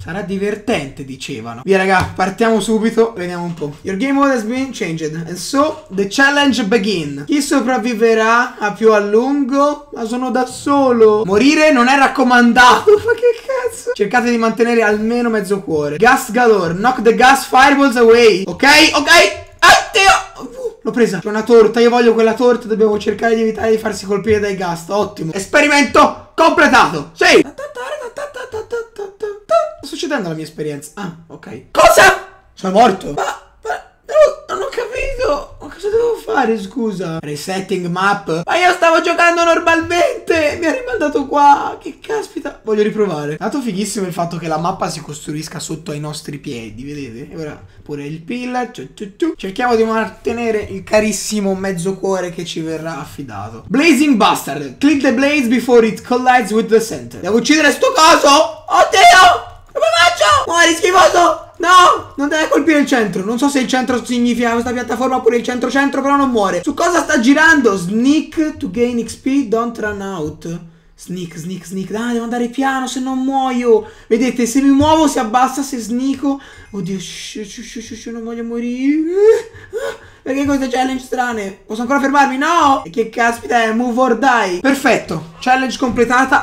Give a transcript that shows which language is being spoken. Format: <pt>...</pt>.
<it>Sarà divertente, dicevano. Via raga, partiamo subito. Vediamo un po'.</it> <en>Your game mode has been changed and so the challenge begin.</en> <it>Chi sopravviverà a più a lungo? Ma sono da solo. Morire non è raccomandato. Ma che cazzo? Cercate di mantenere almeno mezzo cuore.</it> <en>Gas galore, knock the gas fireballs away.</en> <it>Ok, ok. L'ho presa. C'è una torta. Io voglio quella torta. Dobbiamo cercare di evitare di farsi colpire dai gas. Ottimo. Esperimento completato. Sì. Sta succedendo la mia esperienza. Ah, ok. Cosa? Sono morto. Ma non ho capito. Ma cosa devo fare, scusa?</it> <en>Resetting map.</en> <it>Ma io stavo giocando normalmente. Mi ha rimandato qua. Che caspita. Voglio riprovare. È stato fighissimo il fatto che la mappa si costruisca sotto ai nostri piedi. Vedete? E ora pure il pillar. Cerchiamo di mantenere il carissimo mezzo cuore che ci verrà affidato.</it> <en>Blazing Bastard. Click the blaze before it collides with the center.</en> <it>Devo uccidere sto coso? Oddio! Come faccio? Muori schifoso! No! Non deve colpire il centro. Non so se il centro significa questa piattaforma oppure il centro-centro, però non muore. Su cosa sta girando?</it> <en>Sneak to gain XP, don't run out. Sneak, sneak, sneak.</en> <it>Dai, devo andare piano, se non muoio. Vedete, se mi muovo si abbassa, se sneako. Oddio, non voglio morire. Perché queste challenge strane? Posso ancora fermarmi? No! E che caspita è?</it> <en>Move or die.</en> <it>Perfetto. Challenge completata.</it>